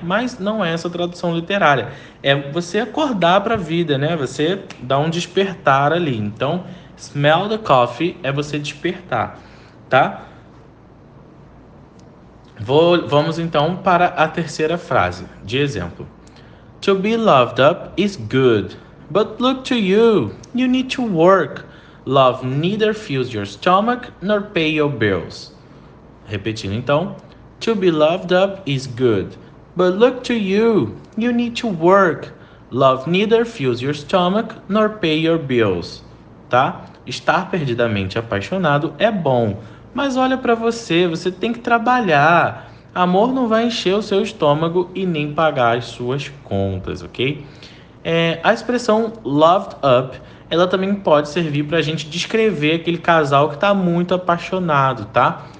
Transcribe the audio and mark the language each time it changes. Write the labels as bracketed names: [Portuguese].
[Portuguese] Mas não é essa tradução literária. É você acordar para a vida, né? Você dá um despertar ali. Então, [English] smell the coffee [Portuguese] é você despertar, tá? Vamos então para a terceira frase de exemplo. [English] To be loved up is good. But look to you, you need to work. Love neither fills your stomach nor pay your bills. [Portuguese] Repetindo então, [English] to be loved up is good, but look to you, you need to work. Love neither fills your stomach nor pay your bills. Tá? [Portuguese] Estar perdidamente apaixonado é bom, mas olha para você, você tem que trabalhar. Amor não vai encher o seu estômago e nem pagar as suas contas, ok? A expressão loved up, ela também pode servir para a gente descrever aquele casal que está muito apaixonado, tá?